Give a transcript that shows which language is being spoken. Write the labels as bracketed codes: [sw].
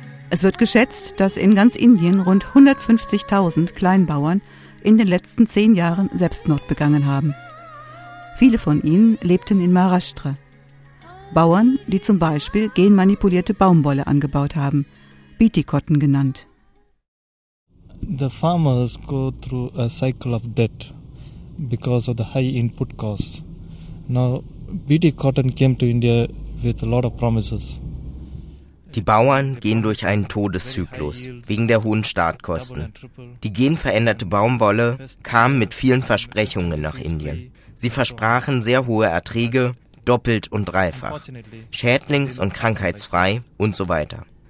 [de] Es wird geschätzt, dass in ganz Indien rund 150.000 Kleinbauern in den letzten 10 Jahren Selbstmord begangen haben. Viele von ihnen lebten in Maharashtra. Bauern, die zum Beispiel genmanipulierte Baumwolle angebaut haben, Bietikotten genannt. [en] The farmers go through a cycle of debt because of the high input costs. Now, BT cotton came to India with a lot of promises. [de] Die Bauern gehen durch einen Todeszyklus wegen der hohen Startkosten. Die genveränderte Baumwolle kam mit vielen Versprechungen nach Indien. Sie versprachen sehr hohe Erträge, doppelt und dreifach, schädlings- und krankheitsfrei und so weiter.